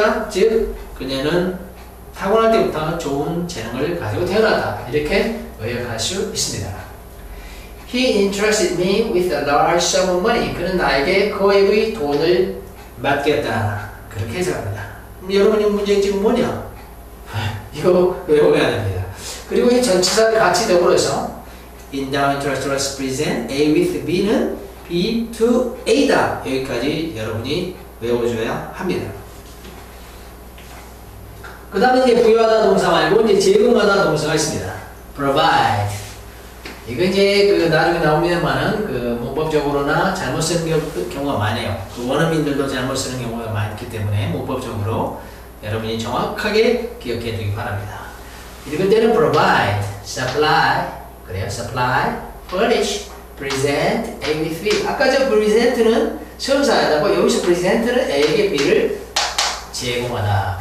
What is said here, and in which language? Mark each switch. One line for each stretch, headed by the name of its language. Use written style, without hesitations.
Korean: 즉, 그녀는 타고날 때부터 좋은 재능을 가지고 태어났다. 이렇게 의역할 수 있습니다.
English: He entrusted me with a large sum of money.
Korean: 그는 나에게 거액의 돈을 맡겼다. 그렇게 해석합니다. 여러분, 이 문제 지금 뭐냐? 이거 외워야 됩니다. 그리고 이 전치사의 가치 더불어서
English: endow, interest, present, A with B는 B to A다.
Korean: 여기까지 여러분이 외워줘야 합니다. 그 다음에 이제 부여하다 동사 말고 이제 제공하다 동사가 있습니다.
English: provide.
Korean: 이건 이제 그 나중에 나옵니다만은 그 문법적으로나 잘못 쓰는 경우가 많아요. 그 원어민들도 잘못 쓰는 경우가 많기 때문에 문법적으로 여러분이 정확하게 기억해 두기 바랍니다. 읽을 때는 provide, supply, 그래요.
English: supply, furnish, present, A with B.
Korean: 아까 저 present는 선사였다고 여기서 present는 A에게 B를 제공하다.